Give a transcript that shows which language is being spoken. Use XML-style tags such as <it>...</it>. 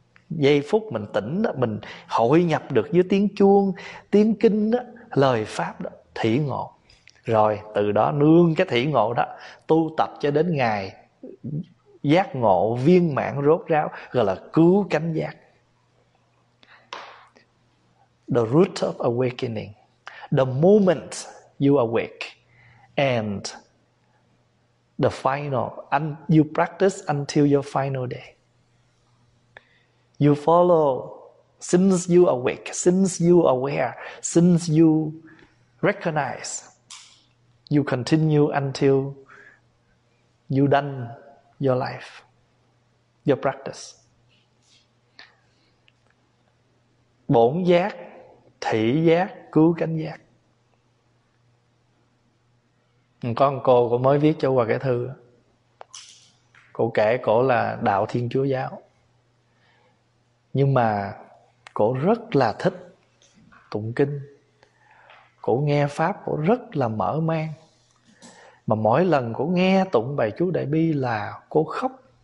<vi>Giây phút mình tỉnh đó, mình hội nhập được với tiếng chuông, tiếng kinh đó, lời pháp đó, thị ngộ. Rồi từ đó nương cái thị ngộ đó tu tập cho đến ngày giác ngộ viên mãn rốt ráo, gọi là cứu cánh giác.</vi> <en>The root of awakening, the moment you awake, and the final, and you practice until your final day. You follow, since you awake, since you aware, since you recognize, you continue until you done your life, your practice.</en> <vi>Bổn giác, thị giác, cứu cánh giác. Có một cô cũng mới viết cho qua cái thư, cô kể cổ là đạo Thiên Chúa giáo, nhưng mà cổ rất là thích tụng kinh, cổ nghe pháp cổ rất là mở mang, mà mỗi lần cổ nghe tụng bài chú Đại Bi là cô khóc.</vi>